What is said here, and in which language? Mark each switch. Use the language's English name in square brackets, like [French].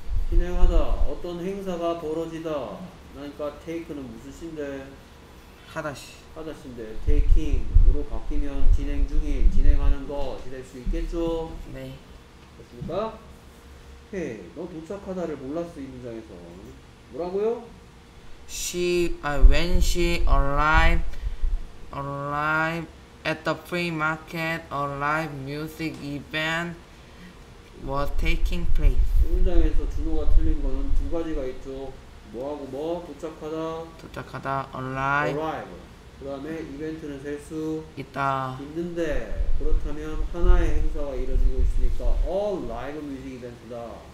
[Korean] 진행하다. 어떤 행사가 벌어지다. 그러니까 take는 무슨 신데? 하다시. 하다시인데 taking으로 바뀌면 진행 중인 진행하는 거 될 수 있겠죠? 네. 됐습니까? 오케이. 너 도착하다를 몰랐어 이 문장에서. 뭐라고요? [English] When she arrived at the flea market, a live music event was taking place. [Korean] 이 문장에서 준호가 틀린 거는 두 가지가 있죠. 뭐하고 뭐? 도착하다. 도착하다. Arrive. [English] Arrive. [Korean] 그 다음에 이벤트는 셀 수 있다. 있는데 그렇다면 하나의 행사가 이루어지고 있으니까 a live music event다.